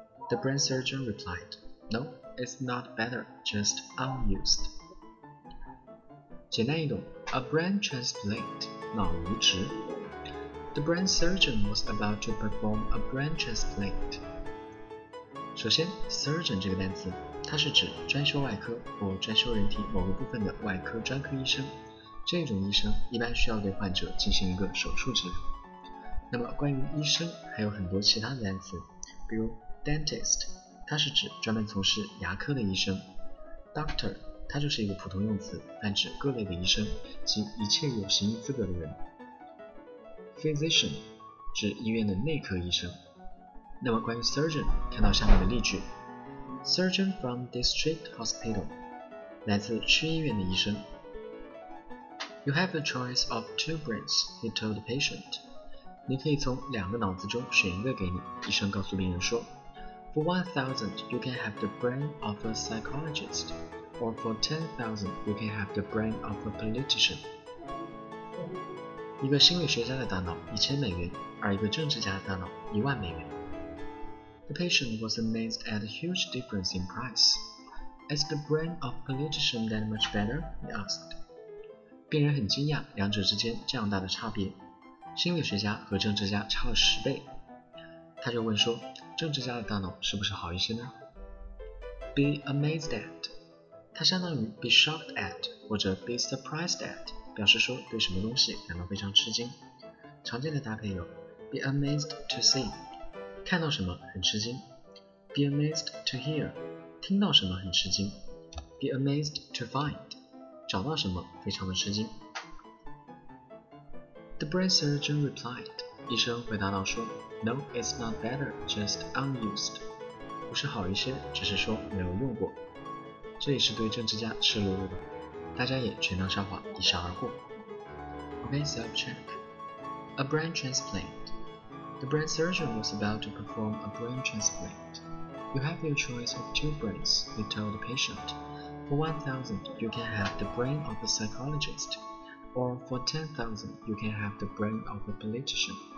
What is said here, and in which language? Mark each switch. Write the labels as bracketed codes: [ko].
[en] The brain surgeon replied, No, it's not better, just unused. [zh] 简单一读 [en] A brain transplant, [zh] 脑移植 [en] The brain surgeon was about to perform a brain transplant. [zh] 首先 surgeon 这个单词它是指专修外科或专修人体某个部分的外科专科医生。这种医生一般需要对患者进行一个手术治疗。那么关于医生还有很多其他的单词比如Dentist, 它是指专门从事牙科的医生。 Doctor, 它就是一个普通用词，泛指各类的医生及一切有行医资格的人。 Physician, 指医院的内科医生。那么关于 Surgeon, 看到下面的例句。 [en] Surgeon from District Hospital, [zh] 来自区医院的医生。 [en] You have a choice of two brains, he told the patient. [zh] 你可以从两个脑子中选一个给你，医生告诉病人说。 [en] For 1,000, you can have the brain of a psychologist. Or for 10,000, you can have the brain of a politician. [zh] 一个心理学家的大脑$1,000，而一个政治家的大脑$10,000。 [en] The patient was amazed at the huge difference in price. Is the brain of a politician that much better? He asked. [zh] 病人很惊讶两者之间这样大的差别。心理学家和政治家差了10倍。他就问说政治家的大脑是不是好一些呢 [en] Be amazed at [zh] 它相当于 [en] be shocked at [zh] 或者 [en] be surprised at [zh] 表示说对什么东西感到非常吃惊常见的搭配有 [en] Be amazed to see [zh] 看到什么很吃惊 [en] Be amazed to hear [zh] 听到什么很吃惊 [en] Be amazed to find [zh] 找到什么非常的吃惊 [en] The brain surgeon replied [zh] 医生回答道说 [en] No, it's not better, just unused. [zh] 不是好一些，只是说没有用过。这也是对政治家赤裸裸的，大家也全当笑话，一笑而过。 [en] Okay, self-check. A brain transplant. The brain surgeon was about to perform a brain transplant. You have your choice of two brains, he told the patient. For 1,000, you can have the brain of a psychologist. Or for 10,000, you can have the brain of a politician.